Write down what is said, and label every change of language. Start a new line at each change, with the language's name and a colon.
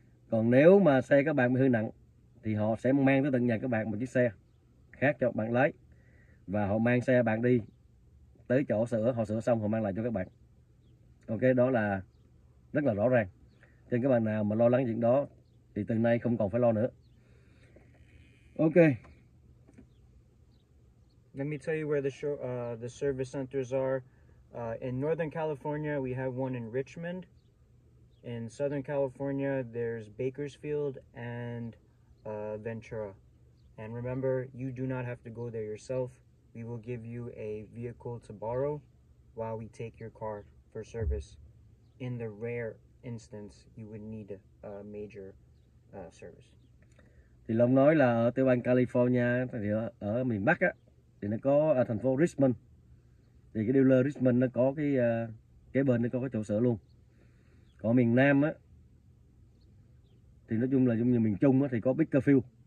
Vietnamese: Còn nếu mà xe các bạn bị hư nặng thì họ sẽ mang tới tận nhà các bạn một chiếc xe khác cho bạn lái, và họ mang xe bạn đi tới chỗ sửa, họ sửa xong họ mang lại cho các bạn. Ok, đó là rất là rõ ràng. Cho nên các bạn nào mà lo lắng chuyện đó thì từ nay không còn phải lo nữa. Ok.
English: Let me tell you where the service centers are. In Northern California, we have one in Richmond. In Southern California, there's Bakersfield and Ventura. And remember, you do not have to go there yourself. We will give you a vehicle to borrow while we take your car for service. In the rare instance, you would need a major service.
Vietnamese: Thì Long nói là ở tiểu bang California, thì ở miền Bắc á, thì nó có ở thành phố Richmond. Thì cái dealer Richmond nó có cái kế bên, nó có cái chỗ sửa luôn. Ở miền Nam á, thì nói chung là giống như miền Trung á, thì có Bakersfield.